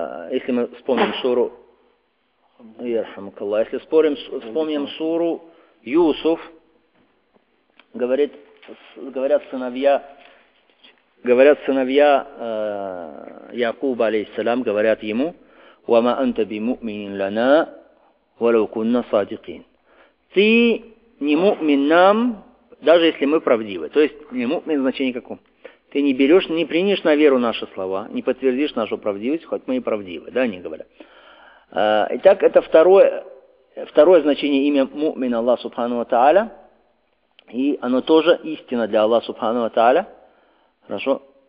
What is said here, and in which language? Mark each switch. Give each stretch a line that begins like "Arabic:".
Russian: Если мы вспомним суру, если вспомним суру Юсуф, говорят сыновья говорят сыновья Якуба, алейхиссалям, говорят ему,
Arabic: وَمَا أَنْتَ بِمُؤْمِنٍ لَنَا وَلَوْ كُنَّ صَادِقِينَ.
Russian: Ты не мумин нам, даже если мы правдивы. То есть, не мумин в значении каком? Ты не берешь, не принешь на веру наши слова, не подтвердишь нашу правдивость, хоть мы и правдивы, да, они говорят. Итак, это второе значение имя мумин Аллах Субхану Ва Тааля, и оно тоже истина для Аллаха Субхану Ва Тааля. Хорошо.